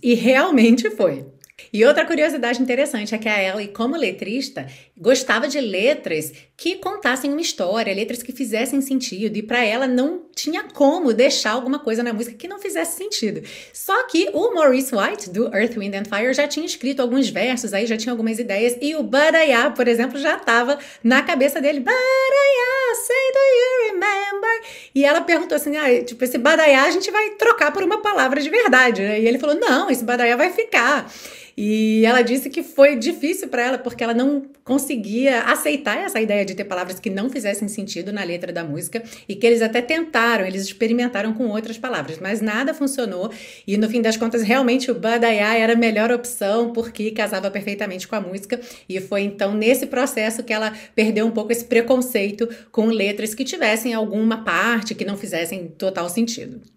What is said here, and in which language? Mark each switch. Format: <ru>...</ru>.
<pt>E realmente foi. E outra curiosidade interessante é que a Ellie, como letrista, gostava de letras que contassem uma história, letras que fizessem sentido, e para ela não tinha como deixar alguma coisa na música que não fizesse sentido. Só que o Maurice White, do Earth, Wind and Fire, já tinha escrito alguns versos, aí já tinha algumas ideias, e o Badaya, por exemplo, já estava na cabeça dele.</pt> <en>Badaya, say, do you remember?</en> <pt>E ela perguntou assim: ah, tipo, esse Badaya a gente vai trocar por uma palavra de verdade, né? E ele falou: não, esse Badaya vai ficar. E ela disse que foi difícil para ela, porque ela não conseguia aceitar essa ideia de ter palavras que não fizessem sentido na letra da música, e que eles até tentaram, eles experimentaram com outras palavras, mas nada funcionou, e no fim das contas, realmente o Badaya era a melhor opção, porque casava perfeitamente com a música, e foi então nesse processo que ela perdeu um pouco esse preconceito com letras que tivessem alguma parte que não fizessem total sentido.</pt>